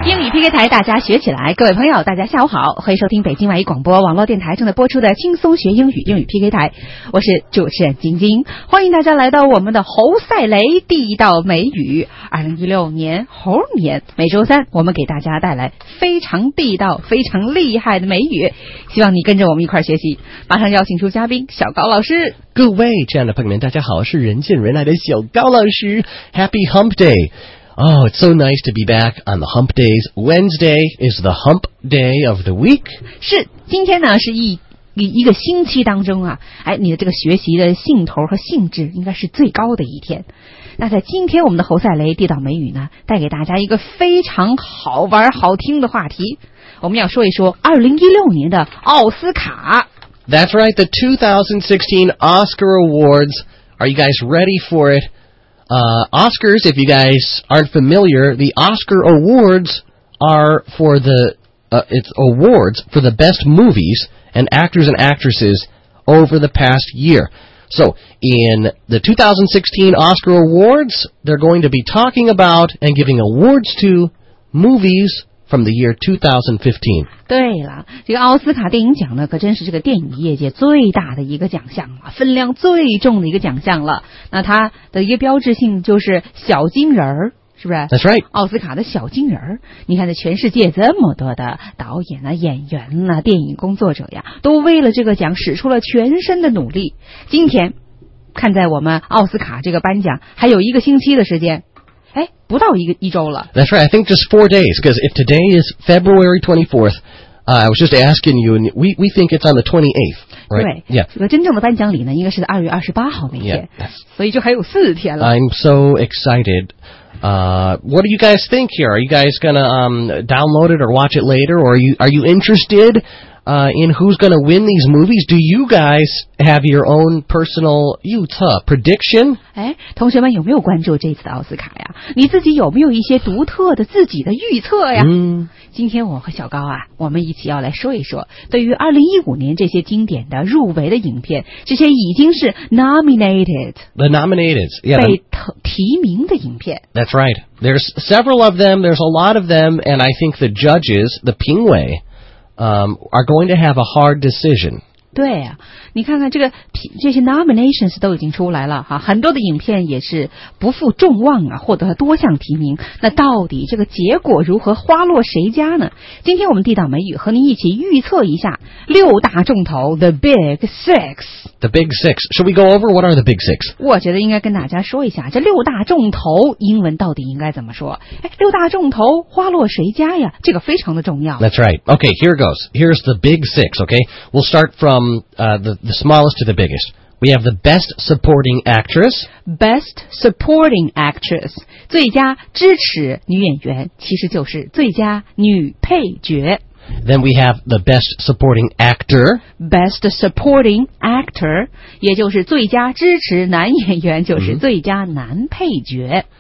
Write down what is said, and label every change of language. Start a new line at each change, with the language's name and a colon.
Chinese: 听歌台，大家学起来。各位朋友大家下午好，欢迎收听北京外语广播网络电台正在播出的轻松学英语，英语 PK 台，我是主持人晶晶，欢迎大家来到我们的猴赛雷地道美语。 2016年猴年，每周三我们给大家带来非常地道非常厉害的美语，希望你跟着我们一块学习。马上邀请出嘉宾小高老师。各位亲爱的朋友们大家好，是人见人爱的小高老师。
English: Happy Hump Day。 Oh, it's so nice to be back on the hump days. Wednesday is the hump day of the week.
Chinese: 是，今天呢是一个星期当中啊，哎，你的这个学习的兴头和兴致应该是最高的一天。那在今天我们的侯赛雷地道美语呢，带给大家一个非常好玩好听的话题。我们要说一说2016年的奥斯卡。
English: That's right, the 2016 Oscar Awards. Are you guys ready for it? Oscars, if you guys aren't familiar, the Oscar Awards are for the, it's awards for the best movies and actors and actresses over the past year. So, in the 2016 Oscar Awards, they're going to be talking about and giving awards to moviesfrom the year 2015.
Chinese: 对了，这个奥斯卡电影奖呢可真是这个电影业界最大的一个奖项了，分量最重的一个奖项了。那它的一个标志性就是小金人儿，是不是？
English: That's right.
Chinese: 奥斯卡的小金人儿，你看在全世界这么多的导演啊、演员啊、电影工作者呀，都为了这个奖使出了全身的努力。今天看在我们奥斯卡这个颁奖还有一个星期的时间，哎，不到一周了。
English: That's right. I think just 4 days, because if today is February 24th, I was just asking you, and we think it's on the 28th, right?
Chinese: 对，这个真正的颁奖礼呢，应该是在2月28号那天。
English: Yeah.
Chinese: 所以就还有四天了。
English: I'm so excited. What do you guys think here? Are you guys going to download it or watch it later? Or are you interested in who's going to win these movies? Do you guys have your own personal
Chinese: 预测
English: prediction?
Chinese: 哎，同学们有没有关注这次的奥斯卡呀？你自己有没有一些独特的自己的预测呀？嗯，今天我和小高啊，我们一起要来说一说对于2015年这些经典的入围的影片，这些已经是 nominated,
English: the nominated, yeah,
Chinese: 被提名的影片。
English: That's right. There's several of them. There's a lot of them, and I think the judges, the
Chinese: 评委。
English: Are going to have a hard decision.
Chinese: 对啊，你看看这些 nominations 都已经出来了哈，很多的影片也是不负众望啊，获得了多项提名。那到底这个结果如何，花落谁家呢？今天我们地道美语和您一起预测一下六大重头 ，
English: the big six. The big six. Should we go over what are the big six?
Chinese: 我觉得应该跟大家说一下这六大重头英文到底应该怎么说。哎，六大重头花落谁家呀？这个非常的重要。
English: That's right. Okay, here goes. Here's the big six. Okay, we'll start from the smallest to the biggest. We have the best supporting actress. Best supporting actress.
Chinese: 最佳支持女演员其实就是最佳女配角。
English: Then we have the best supporting actor. Best supporting actor.
Chinese: 也就是最佳支持男演员就是最佳男配角。